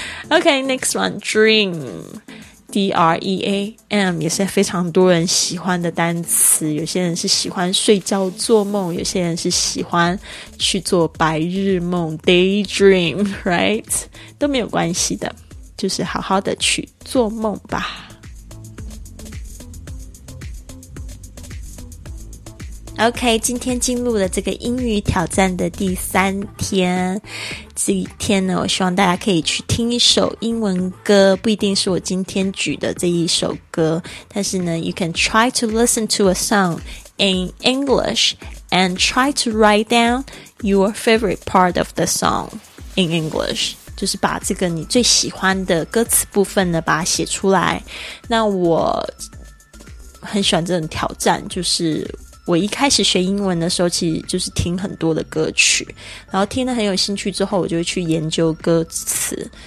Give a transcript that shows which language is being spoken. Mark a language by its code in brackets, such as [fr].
[en] OK next one dream D-R-E-A-M [zh] 也是非常多人喜欢的单词有些人是喜欢睡觉做梦有些人是喜欢去做白日梦 daydream right 都没有关系的就是好好的去做梦吧OK, 今天进入了这个英语挑战的第三天。这一天呢，我希望大家可以去听一首英文歌，不一定是我今天举的这一首歌，但是呢 , [en] you can try to listen to a song in English and try to write down your favorite part of the song in English. [zh] 就是把这个你最喜欢的歌词部分呢把它写出来。那我很喜欢这种挑战，就是我一开始学英文的时候其实就是听很多的歌曲，然后听得很有兴趣之后我就会去研究歌词。